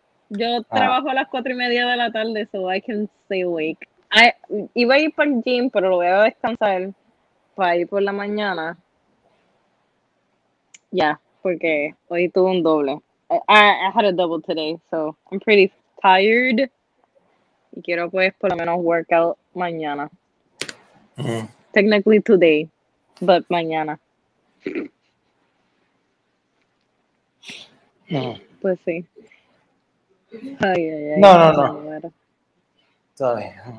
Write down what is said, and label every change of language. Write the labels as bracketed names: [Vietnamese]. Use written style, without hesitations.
[Spanish] Yo trabajo a las 4:30 de la tarde, [English] so I can stay awake. [Spanish] iba a ir para el gym, pero lo voy a descansar para ir por la mañana. Yeah, porque hoy tuve un doble. [English] I had a double today, so I'm pretty tired. [Spanish] Y quiero pues por lo menos workout mañana. [English] Mm-hmm. Technically today, but mañana. [Spanish] No. Pues sí. Ay, ay, ay, no, no, no. Muero. Está bien.